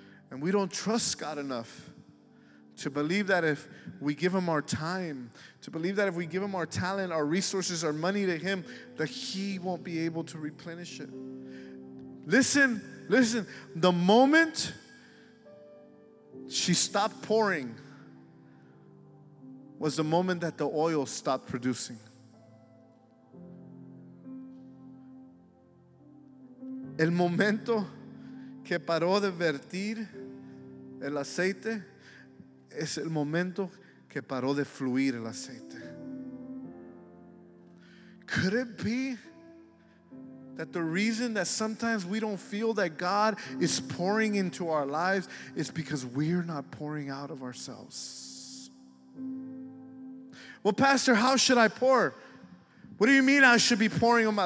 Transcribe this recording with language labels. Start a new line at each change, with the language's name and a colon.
English: And we don't trust God enough to believe that if we give Him our time, to believe that if we give Him our talent, our resources, our money to Him, that He won't be able to replenish it. Listen, the moment she stopped pouring was the moment that the oil stopped producing.
Spanish: El momento que paró de vertir el aceite es el momento que paró de fluir el aceite.
English: Could it be that the reason that sometimes we don't feel that God is pouring into our lives is because we're not pouring out of ourselves? Well, Pastor, how should I pour? What do you mean I should be pouring on my...